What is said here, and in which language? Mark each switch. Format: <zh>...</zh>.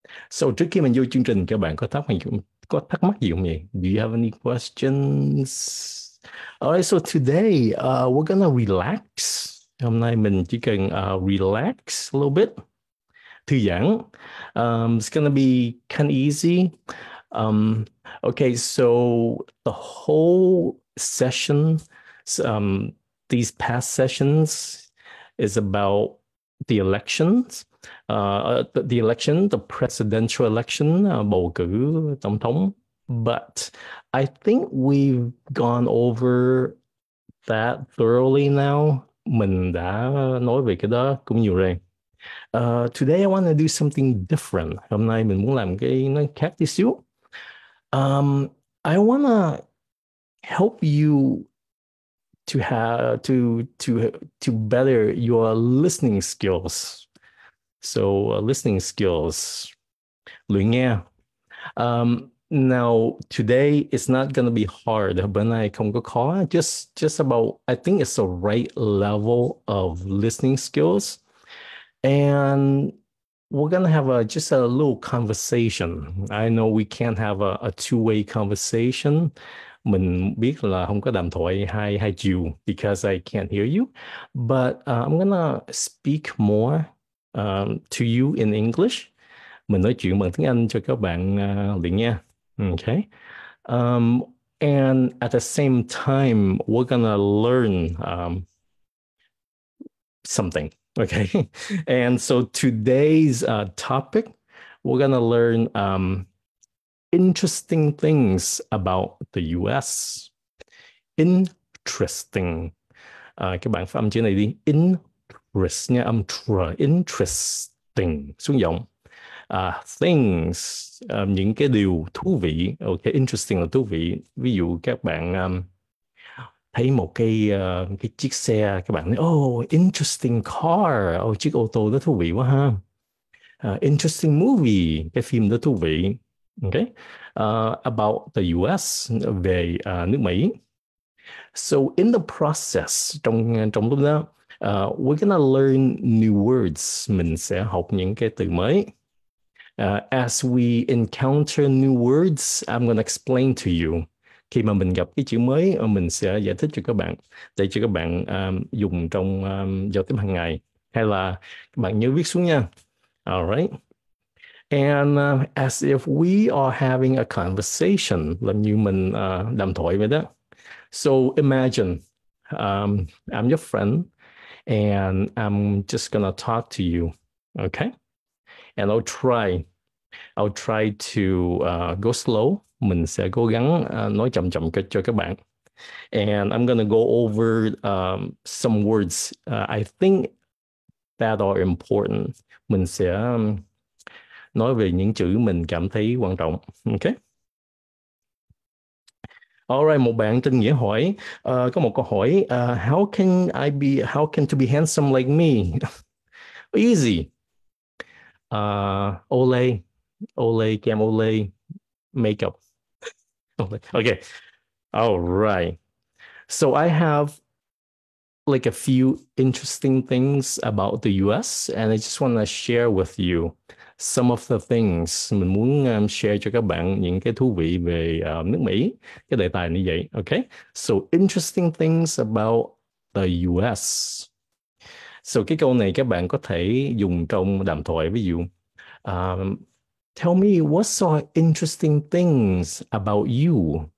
<vi>So trước khi mình vô chương trình, các bạn có thắc mắc gì không vậy?</vi> <en>Do you have any questions? Alright, so today we're gonna relax.</en> <vi>Hôm nay mình chỉ cần</vi> <en>relax a little bit,</en> <vi>thư giãn.</vi> <en>It's gonna be kind of easy. Okay, so the whole session, these past sessions is about the elections, the election, the presidential election,</en> <vi>bầu cử tổng thống.</vi> <en>But I think we've gone over that thoroughly now.</en> <vi>Mình đã nói về cái đó cũng nhiều rồi.</vi> <en>Today I want to do something different.</en> <vi>Hôm nay mình muốn làm cái nó khác tí xíu.</vi> <en>I want to help you to have to better your listening skills. So listening skills,</en> <vi>luyện nghe.</vi> <en>Now today it's not gonna be hard.</en> <vi>Bữa nay không có khó.</vi> <en>Just about, I think it's the right level of listening skills, and we're gonna have a just a little conversation. I know we can't have a two-way conversation.</en> <vi>Mình biết là không có đàm thoại hai hai chiều</vi> <en>because I can't hear you, but I'm gonna speak more to you in English.</en> <vi>Mình nói chuyện bằng tiếng Anh cho các bạn liền nha.</vi> <en>Okay. And at the same time, we're gonna learn something. Okay. And so today's topic, we're gonna learn interesting things about the US. Interesting.</en> <vi>Các bạn phải âm chữ này đi. Interest nha, âm tr. Interesting. Xuống giọng. Things. Những cái điều thú vị. Okay, interesting là thú vị. Ví dụ các bạn thấy một cái chiếc xe, các bạn nói,</vi> <en>oh, interesting car.</en> <vi>Oh, chiếc ô tô đó thú vị quá ha.</vi> <en>Interesting movie.</en> <vi>Cái phim đó thú vị. Okay,</vi> <en>about the US,</en> <vi>về nước Mỹ.</vi> <en>So in the process</en> <vi>trong trong lúc đó,</vi> <en>we're gonna learn new words.</en> <vi>Mình sẽ học những cái từ mới.</vi> <en>As we encounter new words, I'm gonna explain to you.</en> <vi>Khi mà mình gặp cái chữ mới, mình sẽ giải thích cho các bạn để cho các bạn dùng trong giao tiếp hàng ngày. Hay là các bạn nhớ viết xuống nha. Alright.</vi> <en>And as if we are having a conversation,</en> <vi>làm như mình đàm thoại vậy đó.</vi> <en>So imagine I'm your friend and I'm just gonna talk to you, okay? And I'll try to go slow.</en> <vi>Mình sẽ cố gắng nói chậm chậm cho các bạn.</vi> <en>And I'm gonna go over some words I think that are important.</en> <vi>Mình sẽ nói về những chữ mình cảm thấy quan trọng, okay? Alright, một bạn tên Nghĩa hỏi, có một câu hỏi,</vi> <en>how can to be handsome like me? Easy.</en> <vi>Olay, Olay, kem Olay, makeup. Okay. Alright.</vi> <en>So I have like a few interesting things about the US, and I just want to share with you some of the things.</en> <vi>Mình muốn share cho các bạn những cái thú vị về nước Mỹ, cái đề tài như vậy. Okay.</vi> <en>So interesting things about the US.</en> <vi>So cái câu này các bạn có thể dùng trong đàm thoại, ví dụ.</vi> <en>Tell me what's interesting things about you.</en>